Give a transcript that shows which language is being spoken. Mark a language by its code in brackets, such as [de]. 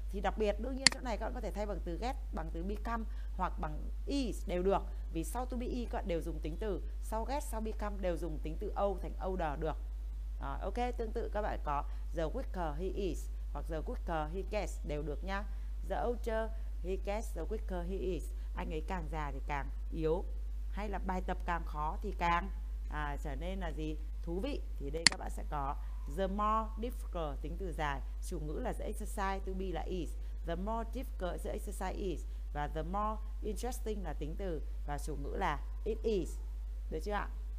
[vi] Thì đặc biệt đương nhiên chỗ này các bạn có thể thay bằng từ get, bằng từ become hoặc bằng is đều được. Vì sau to be is các bạn đều dùng tính từ, sau get, sau become đều dùng tính từ old thành older được. À, ok, tương tự các bạn có [en] the quicker he is [vi] hoặc [en] the quicker he gets [vi] đều được nhá. [en] The older he gets, the quicker he is. [vi] Anh ấy càng già thì càng yếu. Hay là bài tập càng khó thì càng trở nên là gì? Thú vị. Thì đây các bạn sẽ có the more difficult tính từ dài, chủ ngữ là the exercise, to be là is, [en] the more difficult the exercise is, [vi] và [en] the more interesting [vi] là tính từ và chủ ngữ là it is, được chưa ạ?